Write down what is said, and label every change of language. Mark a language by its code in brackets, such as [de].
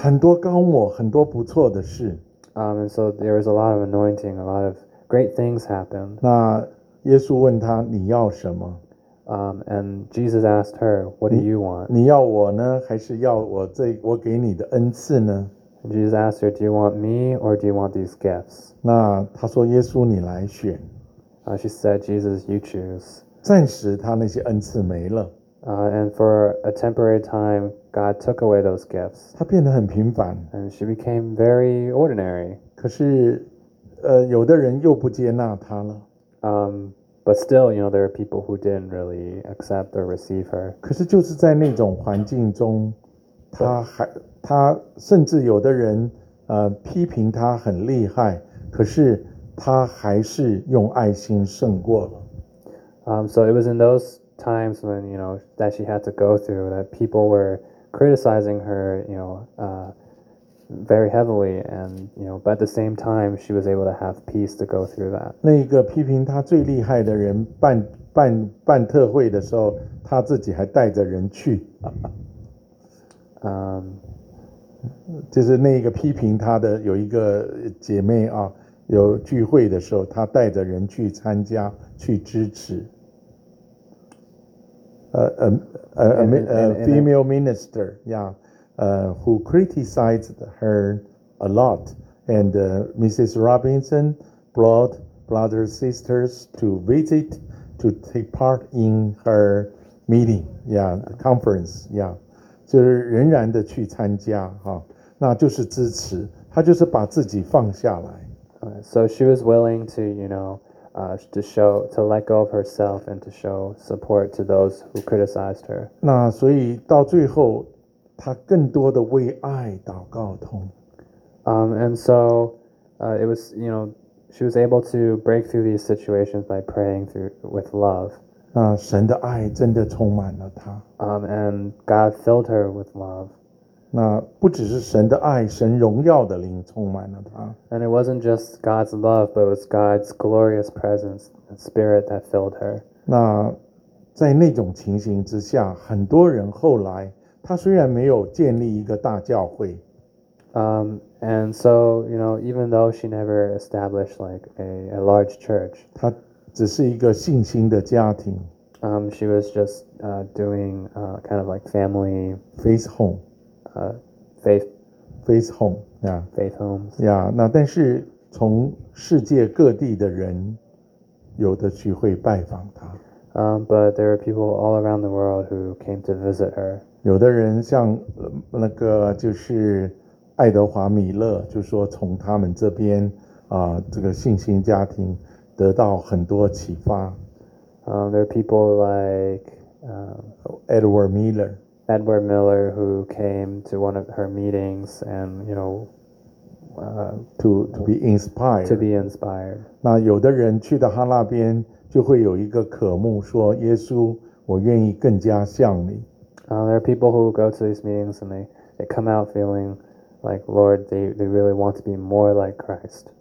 [zh] 很多膏抹，很多不错的事。 [en] And so there was a lot of anointing, a lot of great things happened. [zh] 那耶稣问他，你要什么？ [en] And Jesus asked her, "What do you want?" [zh] 你要我呢，还是要我给你的恩赐呢？ [en] Jesus asked her, "Do you want me, or do you want these gifts?" [zh] 那他说，耶稣你来选。 [en] She said, "Jesus, you choose." [zh] 暂时他那些恩赐没了。 [en] And for a temporary time, God took away those gifts. [zh] 他变得很平凡。 [en] And she became very ordinary. [zh] 可是，有的人又不接纳他了。 [en] But still, you know, there are people who didn't really accept or receive her. [zh] 可是就是在那种环境中，他还他甚至有的人批评他很厉害，可是他还是用爱心胜过了。 [en] So it was in those times when you know that she had to go through that people were criticizing her, you know, very heavily, and you know, but at the same time, she was able to have peace to go through that. [zh] 那一个批评他最厉害的人办特会的时候，他自己还带着人去。就是那一个批评他的有一个姐妹啊，有聚会的时候，他带着人去参加去支持。 [en] Female minister, yeah, who criticized her a lot. And Mrs. Robinson brought brothers, sisters to visit to take part in her meeting, yeah, conference, yeah. [zh] 就是仍然的去参加、啊、那就是支持，她就是把自己放下来。 [en] So she was willing to, you know,to show to let go of herself and to show support to those who criticized her. [zh] 那所以到最后，她更多的为爱祷告通。 [en] And so, it was you know she was able to break through these situations by praying through with love. [zh] 那神的爱真的充满了她。 [en] And God filled her with love. [zh] 那不只是神的爱，神荣耀的灵充满了她。 [en] And it wasn't just God's love, but it was God's glorious presence and spirit that filled her. [zh] 那在那种情形之下，很多人后来，他虽然没有建立一个大教会。 [en] And so, you know, even though she never established like a large church, 她只是一个信心的家庭。 She was just doing kind of like family faith home. Faith home, yeah. Faith homes. [zh] Yeah, 那但是从世界各地的人有的去会拜访他。 [en] But there are people all around the world who came to visit her. [zh] 有的人像那个就是爱德华米勒就说从他们这边这个信心家庭得到很多启发。 [en] There are people like, Edward Miller. Edward Miller, who came to one of her meetings and, you know, to be inspired. To be inspired. [zh] 那有的人去到他那边就会有一个渴慕说耶稣我愿意更加像你。 [en] There are people who go to these meetings and they come out feeling like, Lord, they really want to be more like Christ.